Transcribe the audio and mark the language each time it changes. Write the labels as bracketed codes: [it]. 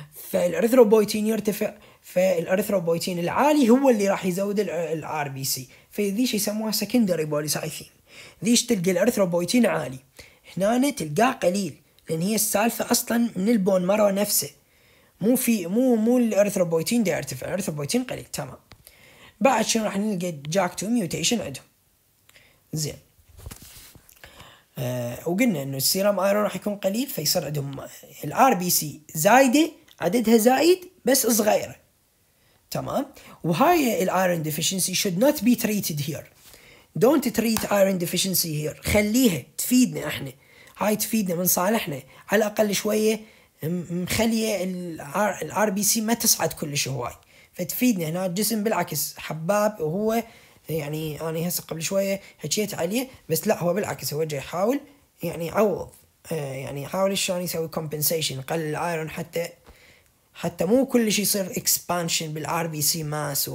[ar] فالاريثروبويتين يرتفع، فالاريثروبويتين العالي هو اللي راح يزود الار بي سي، فذيش يسموها سكندري بوليسايثين، ذيش تلقى الاريثروبويتين عالي، هنا تلقاه قليل، لان هي السالفه اصلا من البون مارو نفسه، مو الاريثروبويتين ده يرتفع، الاريثروبويتين قليل، تمام. بعد شنو راح نلقى جاك تو ميوتيشن عندهم. زين وقلنا انه السيرام ايرون راح يكون قليل، فيصير عندهم الار بي سي زايده، عددها زايد بس صغير، تمام. وهاي [en] الايرون deficiency should not be treated here. Don't treat iron deficiency here. [ar] خليها تفيدنا احنا. هاي تفيدنا من صالحنا. على الاقل شوية مخلية الار بي سي ما تصعد كلش هواي. فتفيدنا هنا الجسم بالعكس حباب، وهو يعني انا هسه قبل شوية حكيت عليه، بس لا هو بالعكس هو جاي يحاول يعني يعوض، يعني يحاول شلون يسوي compensation، قلل الايرون حتى مو كل شيء يصير اكسبانشن بالار بي سي ماس.